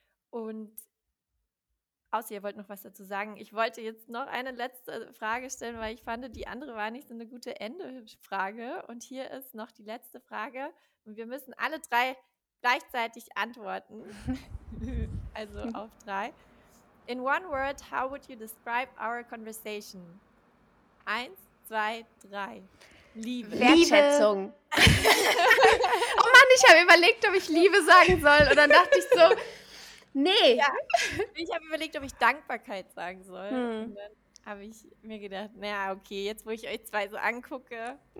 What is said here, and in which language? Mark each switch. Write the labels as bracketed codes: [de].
[de] Und außer ihr wollt noch was dazu sagen, ich wollte jetzt noch eine letzte Frage stellen, weil ich fand, die andere war nicht so eine gute Endefrage. Und hier ist noch die letzte Frage und wir müssen alle drei gleichzeitig antworten, also auf drei. [en] In one word, how would you describe our conversation? [de] 1, 2, 3. Liebe. Wertschätzung. Oh Mann, ich habe überlegt, ob ich Liebe sagen soll. Und dann dachte ich so, nee. Ja. Ich habe überlegt, ob ich Dankbarkeit sagen soll. Und dann habe ich mir gedacht, naja, okay, jetzt wo ich euch zwei so angucke.